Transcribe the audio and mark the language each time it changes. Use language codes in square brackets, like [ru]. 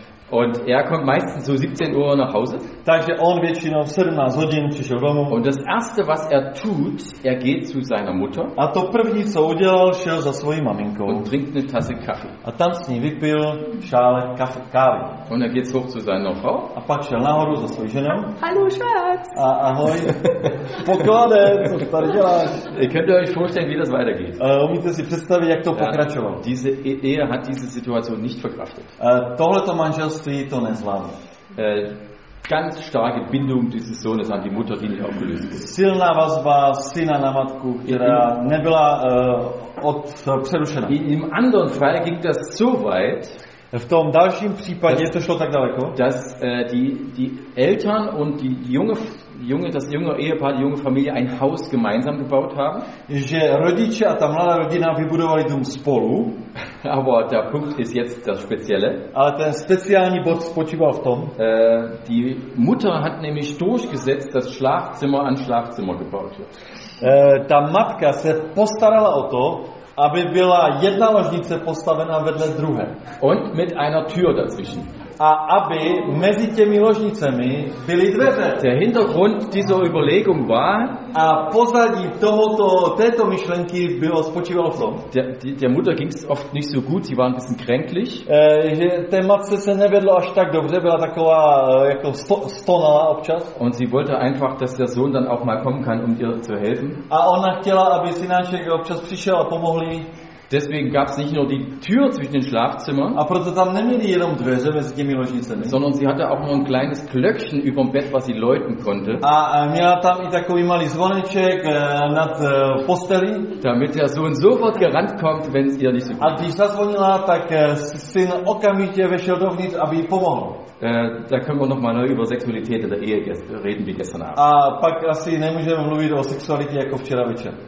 [de] Und er kommt meistens so 17 Uhr nach Hause. [cs] Takže on většinou 17 hodin přišel domů. [de] Und das erste, was er tut, er geht zu seiner Mutter. [cs] A to první, co udělal, šel za svojí maminkou. [de] Und trinkt eine Tasse Kaffee. [cs] A tam s ní vypil šále kávy. [de] Und er geht hoch zu seiner Frau. [cs] A pak šel nahoru za svojí ženou. [de] Hallo, Schatz. [cs] A ahoj. Pokladen, co tady děláš? [de] Ihr könnt euch vorstellen, wie das weitergeht. [cs] Umíte si představit, jak to pokračovalo. [de] Diese Ehe hat diese Situation nicht verkraftet. [cs] Tohleto manželství to nezvládlo. [de] Ganz starke Bindung dieses Sohnes an die Mutter, die nicht aufgelöst wurde. [cs] Silná vazba syna na matku, která nebyla přerušena. [de] Im anderen Fall ging das so weit. [cs] V tom dalším případě to šlo tak daleko. [de] Dass die Eltern und die junge Ehepaar, die junge Familie ein Haus gemeinsam gebaut haben. [cs] Že rodiče a ta mladá rodina vybudovali dům spolu. [de] Aber der Punkt ist jetzt das Spezielle. [cs] Ale ten speciální bod spočíval v tom. [de] Die Mutter hat nämlich durchgesetzt, dass Schlafzimmer an Schlafzimmer gebaut wird. [cs] Ta matka se postarala o to, aby byla jedna ložnice postavena vedle druhé. [de] Und mit einer Tür dazwischen. [cs] A aby mezi těmi ložnicemi byly dveře. [de] Der Hintergrund dieser Überlegung war, [cs] a pozadí tohoto, této myšlenky bylo spočívalo v tom. [de] Der Mutter ging's oft nicht so gut, sie war ein bisschen kränklich. [cs] Že té matce se nevedlo až tak dobře, byla taková jako stonala občas. [de] Und sie wollte einfach, dass der Sohn dann auch mal kommen kann, um ihr zu helfen. [cs] A ona chtěla, aby synáček občas přišel a pomohl jí. [de] Deswegen gab es nicht nur die Tür zwischen den Schlafzimmern. [cs] A proto tam neměli jenom dveře mezi těmi ložnicemi. [de] Sondern sie hatte auch noch ein kleines Glöckchen über dem Bett, was sie läuten konnte. [cs] A měla tam i takový malý zvoneček nad posteli. [de] Damit der Sohn sofort gerannt kommt, wenn es ihr nicht so gut ist. [cs] A když zazvonila, tak syn okamžitě vešel dovnitř, aby jí pomohl. [de] Da können wir noch mal neu über Sexualität in der Ehe reden wie gestern Abend. [cs] A pak asi nemůžeme mluvit o sexualitě jako včera večer.